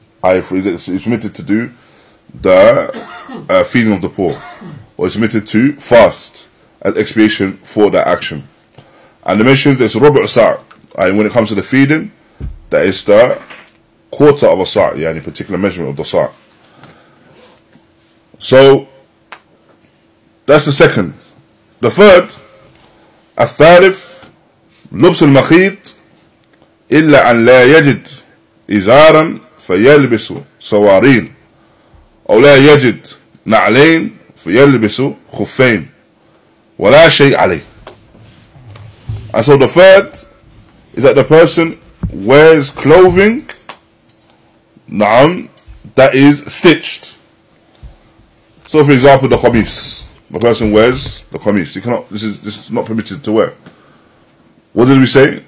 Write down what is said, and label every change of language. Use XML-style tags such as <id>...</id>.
<en>He's permitted to do the feeding of the poor, or he's permitted to fast as expiation for that action. And the mention is rubu' sa', and when it comes to the feeding, that is the quarter of a sa', yeah, any particular measurement of the sa'. So, that's the second.</en> <ar>The third, الثالف لبس المخيط إلا أن لا يجد إزارا فيلبس سوارين أو لا يجد نعلين فيلبس خفين ولا شيء عليه.</ar> <en>And so the third is that the person wears clothing, نعم, that is stitched. So, for example, the qamis, the person wears the qamis. You cannot, this is not permitted to wear. What did we say?</en>